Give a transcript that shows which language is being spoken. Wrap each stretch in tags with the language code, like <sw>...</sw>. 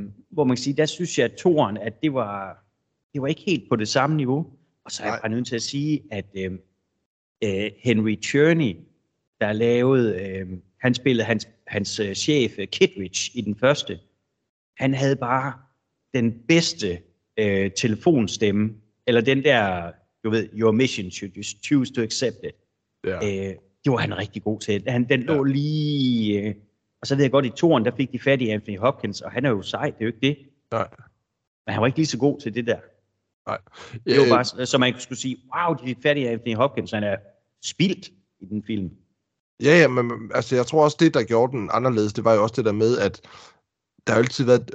<da>Hvor man kan sige, der synes jeg, at toren, at det var ikke helt på det samme niveau. Og så er jeg bare nødt til at sige, at Henry Tierney, der lavede, han spillede hans chef, Kittredge, i den første. Han havde bare den bedste telefonstemme. Eller den der, du ved,</da> <en>your mission, should you choose to accept it.</en> <da>Ja. Det var han rigtig god til. Den lå lige... Og så ved jeg godt, i toren, der fik de fat i Anthony Hopkins, og han er jo sej, det er jo ikke det. Nej. Men han var ikke lige så god til det der. Nej. Det var bare, så man skulle sige, wow, de fik fat i Anthony Hopkins, han er spildt i den film. Ja, ja, men altså, jeg tror også, det, der gjorde den anderledes, det var jo også det der med, at der har altid været...</da>